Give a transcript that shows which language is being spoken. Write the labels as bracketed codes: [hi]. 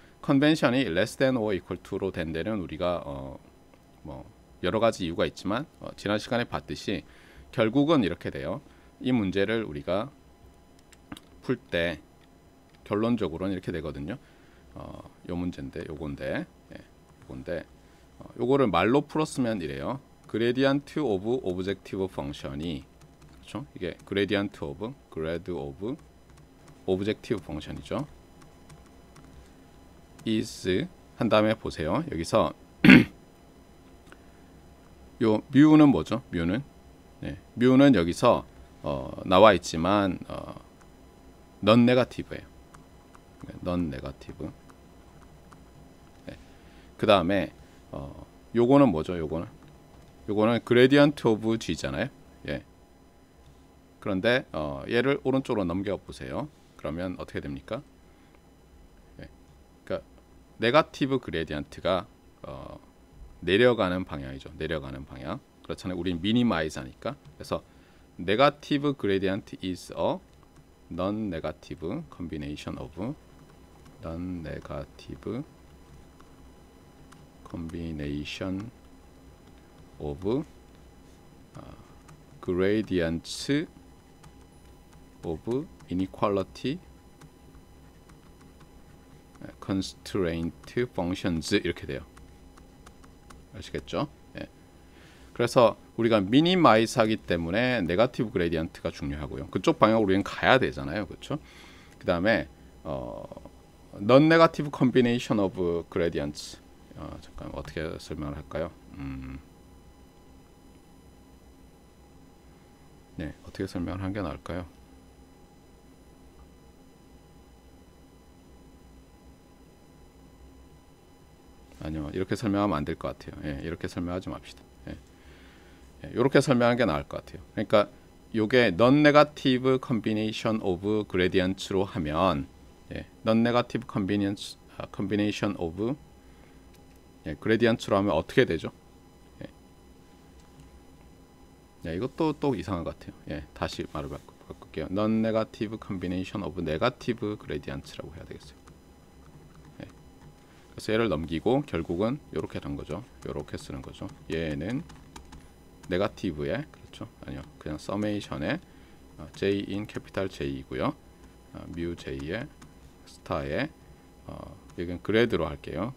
[ko] Convention이 Less than or equal to로 된 데는 우리가 뭐 여러 가지 이유가 있지만 지난 시간에 봤듯이 결국은 이렇게 돼요. 이 문제를 우리가 풀때 결론적으로는 이렇게 되거든요. 요 문제인데 요건데 요건데 요거를 말로 풀었으면 이래요. [en] gradient of objective function이 그렇죠? 이게 gradient of grad of objective function이죠. [ko] is 한 다음에 보세요. 여기서 요 뮤는 뭐죠? 뮤는 네. 뮤는 여기서 나와 있지만 non negative예요. [en] non negative. [ko] 그 다음에 요거는 뭐죠? 요거는 그레디언트 오브 G잖아요. 예. 그런데 얘를 오른쪽으로 넘겨 보세요. 그러면 어떻게 됩니까? 그러니까 네가티브 그레디언트가 내려가는 방향이죠. 내려가는 방향. 그렇잖아요. 우린 미니마이즈하니까. 그래서 [en] negative gradient is a non-negative combination of non-negative combination of gradients of inequality constraint functions [ko] 이렇게 돼요. 아시겠죠? 예. 그래서 우리가 미니마이즈 하기 때문에 네가티브 그레디언트가 중요하고요. 그쪽 방향으로 우리는 가야 되잖아요. 그렇죠? 그 다음에 [en] non negative combination of gradients [ko] 잠깐 어떻게 설명을 할까요? 네, 어떻게 설명을 한 게 나을까요? 아니요, 이렇게 설명하면 안 될 것 같아요. 예, 이렇게 설명하지 맙시다. 예, 예, 이렇게 설명하는 게 나을 것 같아요. 그러니까 이게 [en] non-negative combination of gradients [ko] 로 하면 예, non-negative combination of 예, gradients로 하면 어떻게 되죠? 예. 예, 이것도 또 이상한 것 같아요. 예, 다시 말을 바꿀게요. [en] non-negative combination of negative gradients라고 해야 되겠어요. [ko] 그래서 얘를 넘기고 결국은 이렇게 된 거죠. 이렇게 쓰는 거죠. 얘는 네가티브에 그렇죠? 아니요. 그냥 서메이션에 J in 캐피탈 J이고요. 뮤 J의 스타에 여기는 그래드로 할게요.